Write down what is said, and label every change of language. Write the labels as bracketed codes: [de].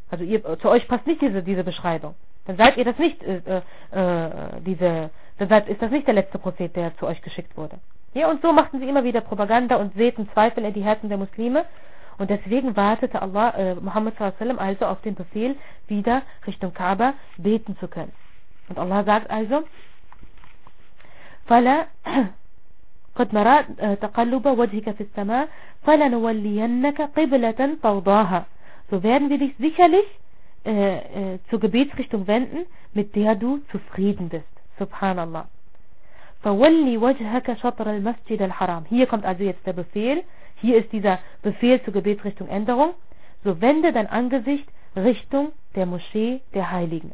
[de] Also zu euch passt nicht diese Beschreibung. Dann seid ihr das nicht, diese Deshalb ist das nicht der letzte Prophet, der zu euch geschickt wurde. Ja, und so machten sie immer wieder Propaganda und säten Zweifel in die Herzen der Muslime. Und deswegen wartete Allah, Muhammad sallallahu alaihi also auf den Befehl, wieder Richtung Kaaba beten zu können. Und Allah sagt also, [ar] فَلَا قَدْ مَرَى تَقَلُّبَ وَجْهِكَ فِي السَّمَاءِ فَلَنُوَلِّيَنَّكَ قِبْلَةً تَرْضَاهَا. [de] So werden wir dich sicherlich zur Gebetsrichtung wenden, mit der du zufrieden bist. [ar] Subhanallah. فَوَلِّي وَجْهَكَ شَطْرَ الْمَسْجِدَ الْحَرَامِ. [de] Hier kommt also jetzt der Befehl. Hier ist dieser Befehl zur Gebetsrichtung Änderung. So wende dein Angesicht Richtung der Moschee der Heiligen.